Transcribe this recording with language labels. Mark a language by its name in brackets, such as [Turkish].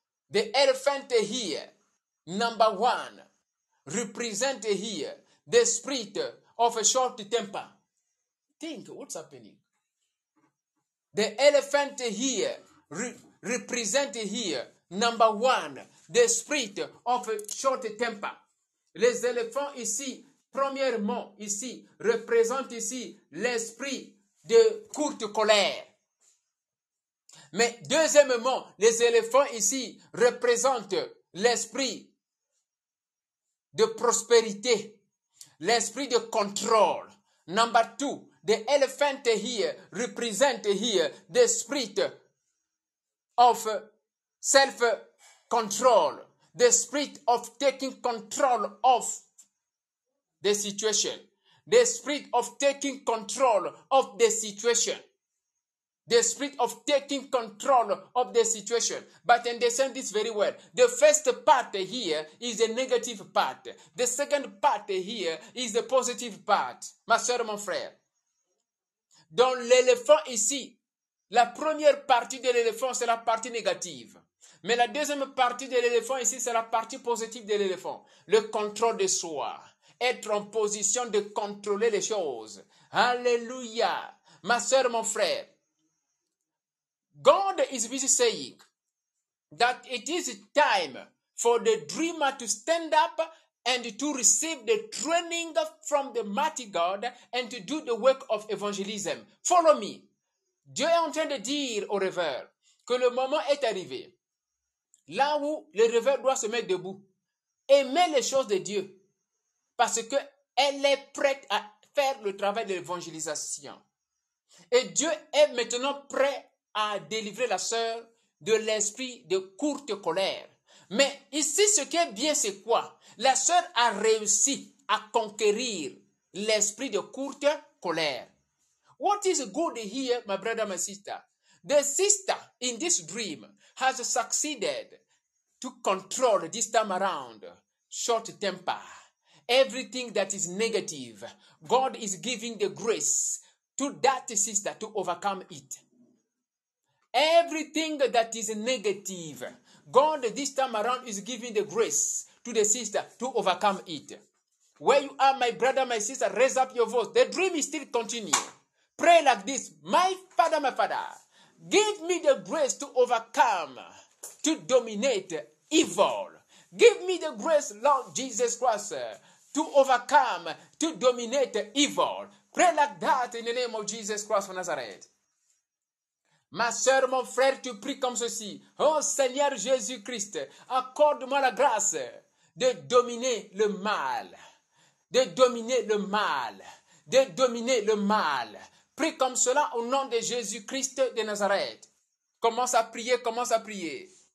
[English] The elephant here, number one, represent here the spirit of a short temper. Think, what's happening? The elephant here represent here, number one, the spirit of a short temper. [French] Les éléphants ici, premièrement ici, représentent ici l'esprit de courte colère. Mais deuxièmement, les éléphants ici représentent l'esprit de prospérité, l'esprit de contrôle. [English] Number two, The elephant here represents here the spirit of self-control, the spirit of taking control of the situation, the spirit of taking control of the situation, the spirit of taking control of the situation. But understand this very well. The first part here is the negative part. The second part here is the positive part. [French] Ma soeur, mon frère. Dans l'éléphant ici, la première partie de l'éléphant, c'est la partie négative. Mais la deuxième partie de l'éléphant ici, c'est la partie positive de l'éléphant. Le contrôle de soi. Être en position de contrôler les choses. Alléluia. Ma soeur, mon frère. [English] God is busy saying that it is time for the dreamer to stand up and to receive the training from the mighty God and to do the work of evangelism. Follow me. [French] Dieu est en train de dire au rêveur que le moment est arrivé. Là où le rêveur doit se mettre debout. Aimer les choses de Dieu. Parce qu'elle est prête à faire le travail de l'évangélisation. Et Dieu est maintenant prêt à délivrer la sœur de l'esprit de courte colère. Mais ici, ce qui est bien, c'est quoi? La sœur a réussi à conquérir l'esprit de courte colère. [English] What is good here, my brother, my sister? The sister in this dream has succeeded to control this time around. Short temper. Everything that is negative, God is giving the grace to that sister to overcome it. Everything that is negative, God this time around is giving the grace to the sister to overcome it. Where you are, my brother, my sister, raise up your voice. The dream is still continuing. Pray like this. My father, give me the grace to overcome, to dominate evil. Give me the grace, Lord Jesus Christ, to overcome, to dominate evil. Pray like that in the name of Jesus Christ of Nazareth. [French] Ma soeur, mon frère, tu pries comme ceci. Oh Seigneur Jésus-Christ, accorde-moi la grâce de dominer le mal. De dominer le mal. De dominer le mal. Prie comme cela au nom de Jésus-Christ de Nazareth. Commence à prier.